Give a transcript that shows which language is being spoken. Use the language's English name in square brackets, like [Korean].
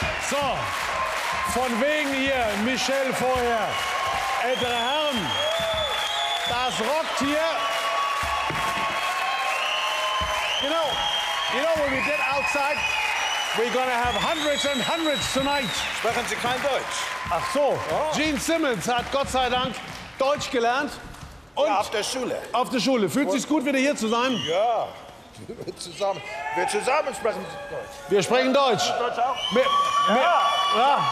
[German] So, von wegen hier, Michel vorher, ältere Herren, das rockt hier. [English] You know what we did outside? We're gonna have hundreds and hundreds tonight. [German] Sprechen Sie kein Deutsch? Ach so, oh. Gene Simmons hat Gott sei Dank Deutsch gelernt. Und ja, auf der Schule. Auf der Schule. Fühlt sich gut, wieder hier zu sein? Ja. Wir zusammen sprechen Deutsch. Wir sprechen Deutsch. Deutsch auch?